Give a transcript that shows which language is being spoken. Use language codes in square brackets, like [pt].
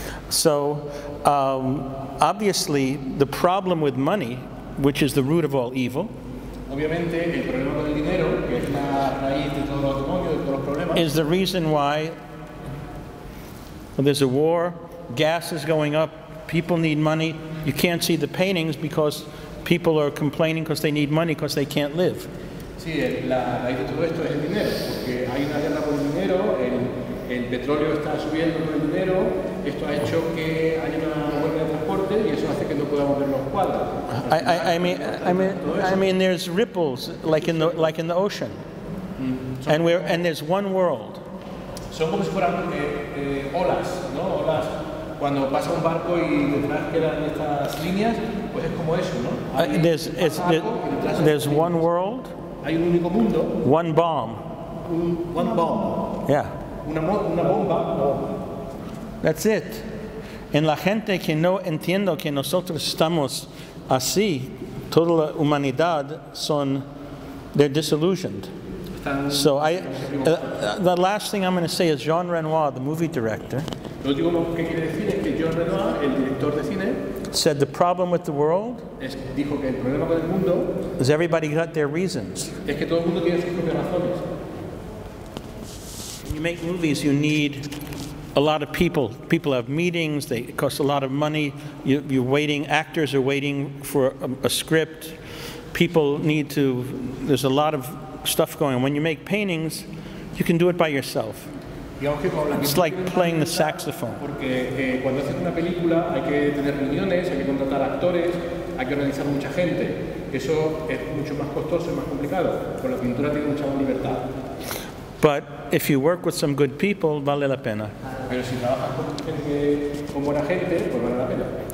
[en] So, obviously, the problem with money, which is the root of all evil, [es] obviamente, el problema con el dinero, que es la raíz de todos los demonios, de todos los problemas, [en] is the reason why, well, there's a war, gas is going up, people need money, you can't see the paintings because people are complaining because they need money because they can't live. [es] Sí, la raíz de todo esto es el dinero, porque hay una guerra con el dinero, el petróleo está subiendo con el dinero, esto ha hecho que haya una huelga de transporte y eso hace que no podamos ver los cuadros. [en] I mean, there's ripples like in the ocean, and there's one world. [es] Son como si fueran olas, ¿no? Olas. Cuando pasa un barco y detrás quedan estas líneas, pues es como eso, ¿no? [en] There's one world. [es] Hay un único mundo. [en] One bomb. One bomb. Yeah. [es] Una bomba. [en] That's it. [es] En la gente que no entiendo que nosotros estamos así, toda la humanidad son, [en] they're disillusioned. So the last thing I'm going to say is Jean Renoir, the movie director, said the problem with the world is everybody got their reasons. When you make movies, you need a lot of people. People have meetings, they cost a lot of money, you're waiting, actors are waiting for a script, people need to, there's a lot of stuff going on. When you make paintings, you can do it by yourself. It's like playing the saxophone. [es] Porque cuando haces una película hay que tener reuniones, hay que contratar actores, hay que organizar mucha gente. Eso es mucho más costoso y más complicado. Con la pintura tiene mucha más libertad. [en] But if you work with some good people, [es] vale la pena. Pero si trabajas con gente, con buena gente, pues vale la pena.